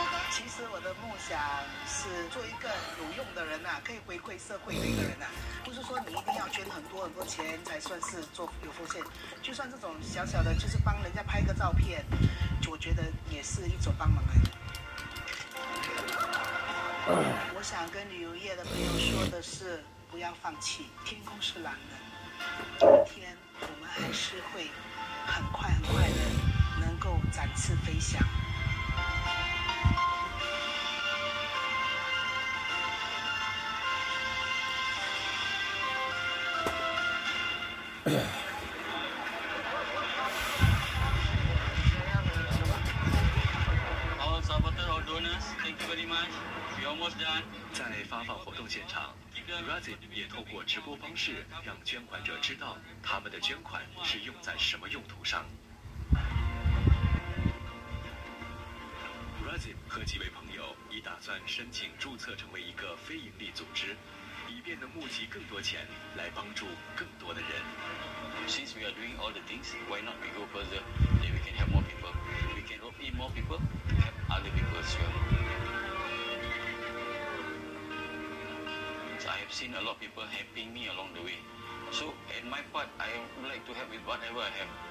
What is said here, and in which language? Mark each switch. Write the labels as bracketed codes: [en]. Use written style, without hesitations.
[zh] 其实我的梦想是做一个有用的人啊，可以回馈社会的一个人啊，不是说你一定要捐很多很多钱才算是做有奉献，就算这种小小的就是帮人家拍个照片，我觉得也是一种帮忙。我想跟旅游业的朋友说的是，不要放弃，天空是蓝的，有一天我们还是会很快很快的展翅飞翔。 [en] Our supporters or donors, thank you very much. We almost done. [zh] 在发放活动现场 ，Razi 也透过直播方式让捐款者知道他们的捐款是用在什么用途上。 Razi 和几位朋友已打算申请注册成为一个非营利组织，以便能募集更多钱来帮助更多的人。 [en] Since we are doing all the things, why not we go further? Then we can help more people. We can help in more people, help other people as well. So I have seen a lot of people helping me along the way. So, in my part, I would like to help with whatever I have.